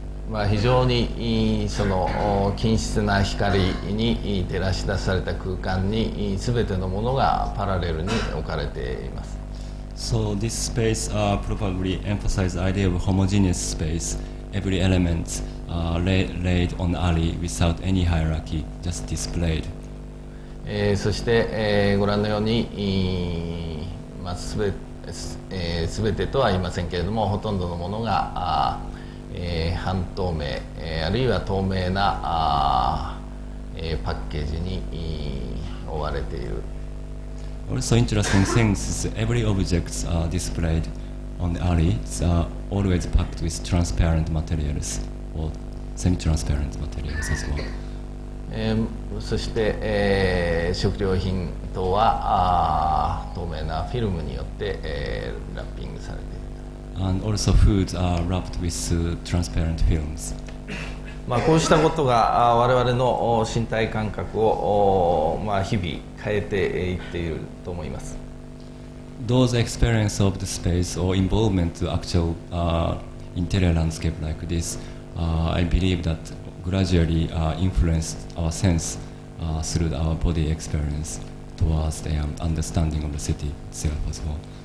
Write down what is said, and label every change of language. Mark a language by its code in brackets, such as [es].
[ja] まあ、非常にその均質な光に照らし出された空間に全てのものがパラレルに置かれています。 [en] So this space probably emphasizes the idea of a homogeneous space. Every element laid on Ali without any hierarchy, just displayed. [ja] そして、ご覧のように、まあ、全てとは言いませんけれども、ほとんどのものが半透明、あるいは透明なパッケージに覆われている。 [en] Also interesting things is every object displayed on the Ali is always packed with transparent materials or semi-transparent materials as well. [ja] そして、食料品等は透明なフィルムによって、ラッピングされている。 [en] And also foods are wrapped with transparent films. [ja] まあこうしたことが我々の身体感覚をまあ日々変えていっていると思います。 [en] Those experience of the space or involvement to actual interior landscape like this, I believe that gradually influenced our sense through our body experience towards the understanding of the city itself as well.